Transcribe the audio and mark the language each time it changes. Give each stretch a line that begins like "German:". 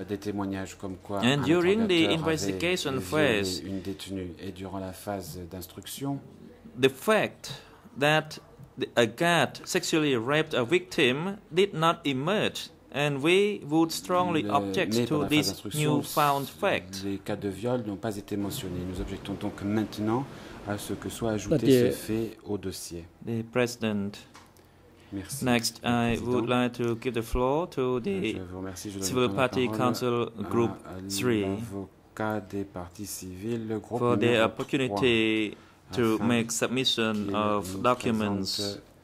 English: And during the investigation phase, the fact that a guard sexually raped a victim did not emerge, and we would strongly object to this new found fact.
French: Les cas de viol n'ont pas été mentionnés. Nous objectons donc maintenant à ce que soit ajouté ce fait au dossier.
English: The President.
French: Merci.
English: Next, I would like to give the floor to the Civil Party Council Group 3
French: l'avocat des parties civiles, le groupe
English: for the opportunity to make submission of documents